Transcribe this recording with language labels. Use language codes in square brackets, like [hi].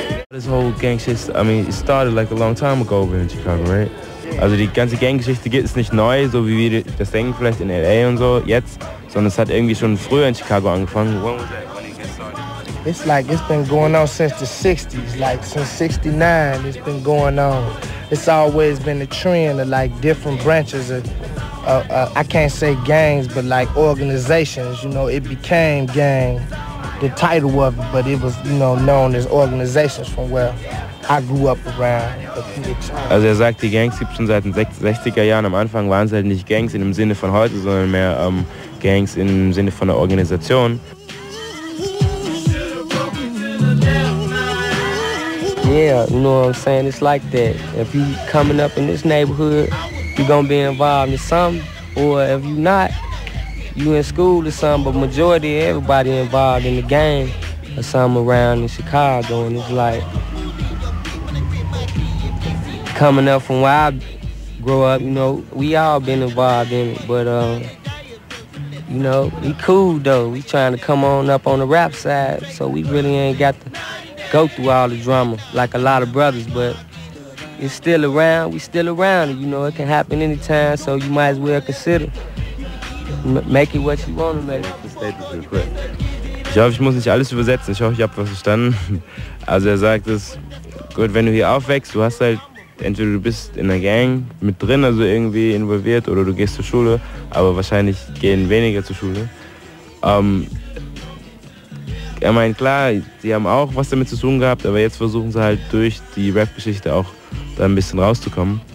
[en] This whole gang shit, I mean, it started like a long time ago over in Chicago, right? [de] Also die ganze Ganggeschichte ist nicht neu, so wie wir das denken vielleicht in LA und so jetzt, sondern es hat irgendwie schon früher in Chicago angefangen. [en] When was that? It's like it's been going on since the 60s, like since 69 it's been going on. It's always been a trend of like different branches of, I can't say gangs, but like organizations, you know, it became gang, the title of it, but it was, you know, known as organizations from where I grew up around. [de] Also er sagt, die Gangs gibt es schon seit den 60er Jahren. Am Anfang waren es halt nicht Gangs in dem Sinne von heute, sondern mehr Gangs im Sinne von der Organisation. [en] Yeah, you know what I'm saying? It's like that. If you coming up in this neighborhood, you're gonna be involved in something. Or if you not, you in school or something, but majority of everybody involved in the game or something around in Chicago. And it's like, coming up from where I grew up, you know, we all been involved in it, but, you know, we cool, though. We trying to come on up on the rap side, so we really ain't got to go through all the drama like a lot of brothers, but it's still around. We still around, you know, it can happen anytime, so you might as well consider. Make it what you want to make it. [de] Ich hoffe, ich muss nicht alles übersetzen. Ich hoffe, ich habe was verstanden. Also er sagt es, gut, wenn du hier aufwächst, du hast halt, entweder du bist in einer Gang mit drin, also irgendwie involviert, oder du gehst zur Schule, aber wahrscheinlich gehen weniger zur Schule. Er meint, klar, sie haben auch was damit zu tun gehabt, aber jetzt versuchen sie halt durch die Rap-Geschichte auch da ein bisschen rauszukommen.